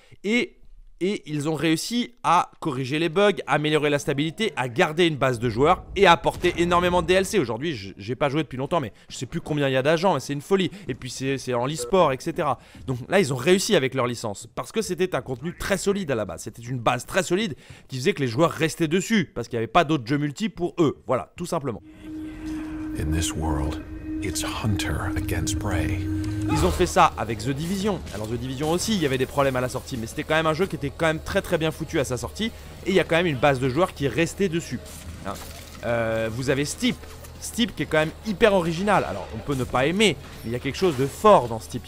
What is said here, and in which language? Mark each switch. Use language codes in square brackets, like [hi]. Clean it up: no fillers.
[fr] Et ils ont réussi à corriger les bugs, à améliorer la stabilité, à garder une base de joueurs et à apporter énormément de DLC. Aujourd'hui, j'ai pas joué depuis longtemps, mais je sais plus combien il y a d'agents, mais c'est une folie. Et puis c'est en e-sport, etc. Donc là, ils ont réussi avec leur licence parce que c'était un contenu très solide à la base. C'était une base très solide qui faisait que les joueurs restaient dessus parce qu'il n'y avait pas d'autres jeux multi pour eux. Voilà, tout simplement. [en] In this world, it's Hunter against Prey. [fr] Ils ont fait ça avec The Division. Alors The Division aussi, il y avait des problèmes à la sortie, mais c'était quand même un jeu qui était quand même très très bien foutu à sa sortie, et il y a quand même une base de joueurs qui est restée dessus. Hein. Vous avez Steep qui est quand même hyper original. Alors on peut ne pas aimer, mais il y a quelque chose de fort dans Steep.